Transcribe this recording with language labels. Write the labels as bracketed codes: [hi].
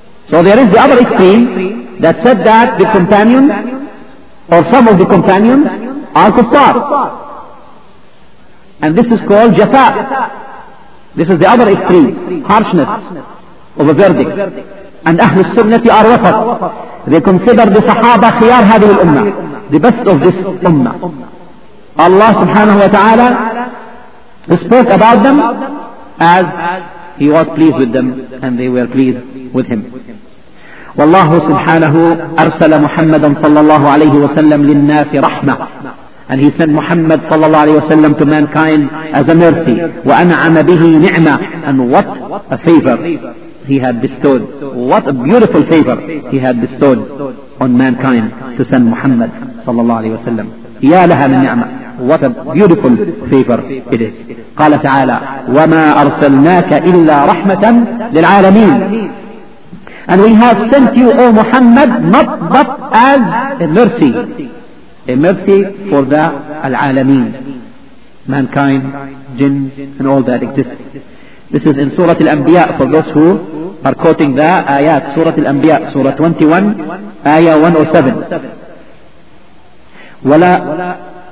[en] So there is the other extreme that said that the companions or some of the companions are kuffar. And this is called jafa. This is the other extreme, harshness of a verdict. And أهل السنة are وسط. They consider the [ar] صحابة خيار هذه الأمة, [en] the best of this أمة. Allah subhanahu wa ta'ala spoke about them as he was pleased with them and they were pleased with him. [ar] والله سبحانه أرسل محمدا صلى الله عليه وسلم للناس رحمة. [en] And he sent Muhammad صلى الله عليه وسلم to mankind as a mercy. [ar] وأنعم به نعمة. [en] And what a favor he had bestowed. What a beautiful favor he had bestowed on mankind to send Muhammad sallallahu alayhi wa sallam. [ar] يا لها من نعمة. [en] What a beautiful favor it is. [ar] قال تعالى وما أرسلناك إلا رحمة للعالمين. [en] And we have sent you O Muhammad not but as a mercy for the العالمين, mankind, jinns and all that exist. This is in Surah Al-Anbiya, for those who are quoting the ayat, Surah Al-Anbiya, Surah 21, Ayah 107.